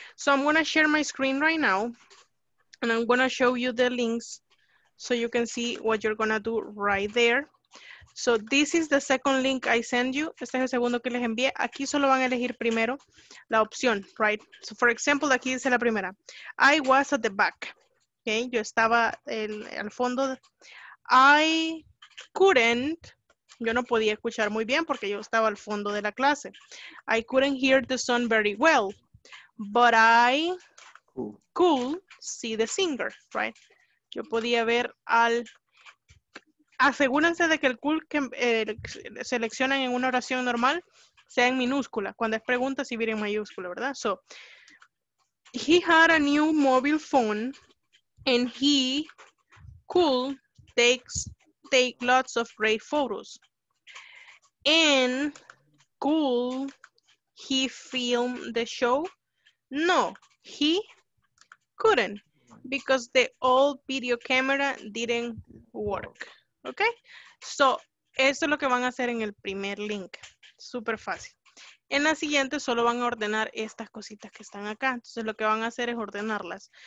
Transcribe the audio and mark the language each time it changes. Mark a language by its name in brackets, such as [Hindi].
[English] So I'm going to share my screen right now. And I'm going to show you the links so you can see what you're going to do right there. So this is the second link I send you. [Spanish] Este es el segundo que les envié. Aquí solo van a elegir primero la opción, right? [English] So for example, [Spanish] aquí dice la primera. [English] I was at the back. Okay, [Spanish] yo estaba al fondo. [English] I couldn't, [Spanish] yo no podía escuchar muy bien porque yo estaba al fondo de la clase. [English] I couldn't hear the song very well, but I could see the singer, right? [Spanish] Yo podía ver al... Asegúrense de que el cool que seleccionan en una oración normal sea en minúscula. Cuando es pregunta, si viene en mayúscula, ¿verdad? [English] So, he had a new mobile phone and he could take lots of great photos. And could he film the show? No, he couldn't. because the old video camera didn't work. Okay? [Spanish] So, eso es lo que van a hacer en el primer link. Súper fácil. En la siguiente solo van a ordenar estas cositas que están acá. Entonces, lo que van a hacer es ordenarlas.